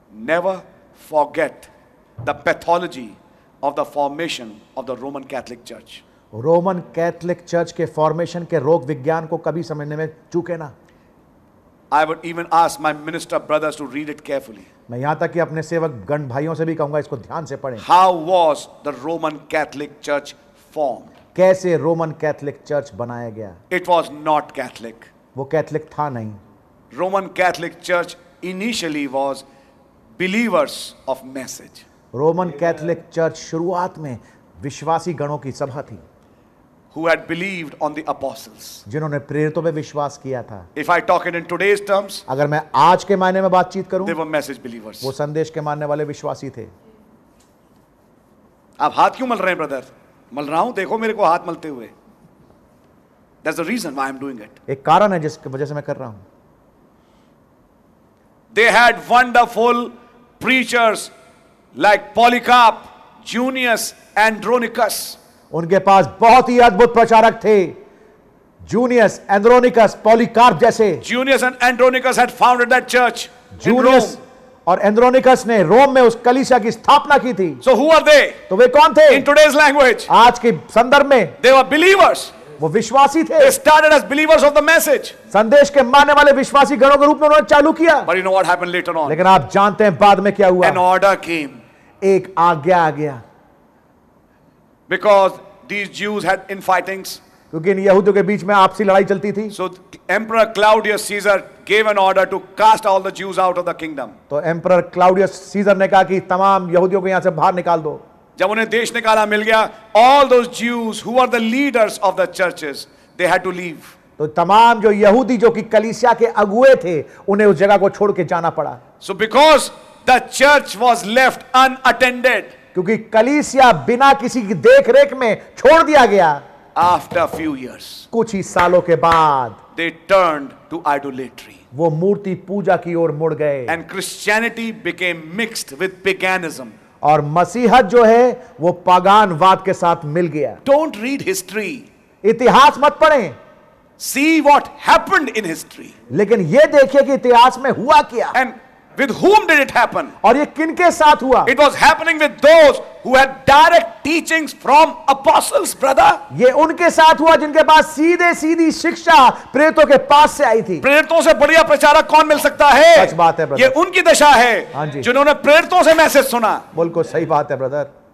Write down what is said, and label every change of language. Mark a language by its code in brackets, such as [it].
[en] Never forget the pathology of the formation of the Roman Catholic Church. [hi] Roman Catholic church के formation के रोग विज्ञान को कभी समझने में चूके ना. [en] I would even ask my minister brothers to read it carefully. [hi] मैं यहां तक कि अपने सेवक गण भाइयों से भी कहूंगा इसको ध्यान से पढ़ें. [en] How was the Roman Catholic Church formed? [hi] कैसे रोमन कैथलिक चर्च बनाया गया? [en] It was not Catholic. [hi] वो कैथलिक था नहीं. [en] Roman Catholic Church initially was believers of message. [hi] Roman Catholic church शुरुआत में विश्वासी गणों की सभा थी. [en] Who had believed on the apostles? [hi] जिन्होंने प्रेरितों पे विश्वास किया था. [en] If I talk it in today's terms, [hi] अगर मैं आज के मायने में बातचीत करूं, [en] they were message believers. [hi] वो संदेश के मानने वाले विश्वासी थे. आप हाथ क्यों मल रहे हैं ब्रदर? मल रहा हूं, देखो मेरे को हाथ मलते हुए. [en] That's the reason why I'm doing it. [hi] एक कारण है जिसकी वजह से मैं कर रहा हूं. [en] They had wonderful preachers like Polycarp, Junius, Andronicus. [hi] उनके पास बहुत ही अद्भुत प्रचारक थे, जूनियस, एंड्रोनिकस, पॉलीकार्प जैसे. [en] Junias and Andronicus had founded that church. [hi] Junius और एंड्रोनिकस ने रोम में उस कलीसिया की स्थापना की थी. [en] So who are they? [hi] तो वे कौन थे? [en] in today's language, [hi] आज के संदर्भ में, [en] They were believers. [hi] वो विश्वासी थे. [en] They started as believers of the message. [hi] संदेश के मानने वाले विश्वासी गणों के रूप में उन्होंने चालू किया. [en] But you know what happened later on. [hi] लेकिन आप जानते हैं बाद में क्या हुआ. [en] An order came. [hi] एक आज्ञा आ गया. [en] Because these Jews had infightings. [hi] क्योंकि इन यहूदियों के बीच में आपसी लड़ाई चलती थी. [en] So Emperor Claudius Caesar gave an order to cast all the Jews out of the kingdom. [hi] तो Emperor Claudius Caesar ने कहा कि तमाम यहूदियों को यहाँ से बाहर निकाल दो. जब उन्हें देश निकाला मिल गया, [en] all those Jews who were the leaders of the churches, they had to leave. [hi] तो तमाम जो यहूदी जो कि कलीसिया के अगुए थे, उन्हें उस जगह को छोड़ के जाना पड़ा. [en] So because the church was left unattended. [hi] क्योंकि कलीसिया बिना किसी की देखरेख में छोड़ दिया गया. [en] After few years, [hi] कुछ ही सालों के बाद, [en] they turned to idolatry. [hi] वो मूर्ति पूजा की ओर मुड़ गए. [en] And Christianity became mixed with paganism. [hi] और मसीहत जो है वो पागानवाद के साथ मिल गया. [en] Don't read history. [hi] इतिहास मत पढ़ें. [en] See what happened in history. [hi] लेकिन ये देखिए कि इतिहास में हुआ क्या. [en] And With whom did it happen? [hi] और ये किनके साथ हुआ? [en] It was happening with those who had direct teachings from apostles, brother. [hi] ये उनके साथ हुआ जिनके पास सीधे सीधी शिक्षा प्रेरितों के पास से आई थी. प्रेरितों से बढ़िया प्रचारक कौन मिल सकता है? सच बात है ब्रदर. ये उनकी दशा है जिन्होंने प्रेरितों से मैसेज सुना. बिल्कुल सही बात है ब्रदर.